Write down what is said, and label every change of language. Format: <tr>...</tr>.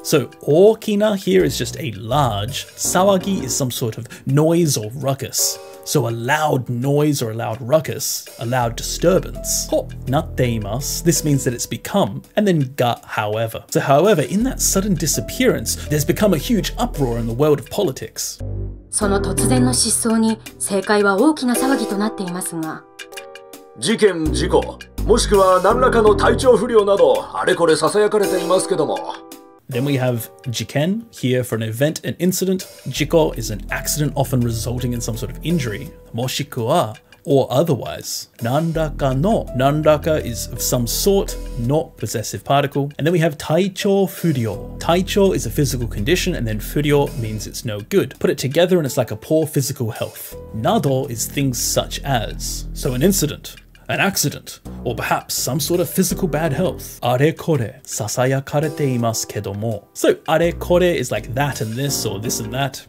<en>So 大きな here is just a large. 騒ぎ is some sort of noise or ruckus. So a loud noise or a loud ruckus, a loud disturbance.</en> <ja>ほなっています.</ja> <en>This means that it's become. And then が however. So however, in that sudden disappearance, there's become a huge uproar in the world of politics.</en> <ja>その突然の失踪に政界は大きな騒ぎとなっていますが。事件事故。もしくは何らかの体調不良などあれこれ囁かれていますけども。</ja> <en>Then we have 事件 here for an event, an incident. 事故 is an accident often resulting in some sort of injury. もしくは or otherwise. 何らかの何らか is of some sort, not possessive particle. And then we have 体調不良 体調 is a physical condition and then 不良 means it's no good. Put it together and it's like a poor physical health. など is things such as. So an incident. An accident, or perhaps some sort of physical bad health.</en> <ja>あれこれ、ささやかれていますけども。</ja> <en>So, あれこれ is like that and this, or this and that.</en>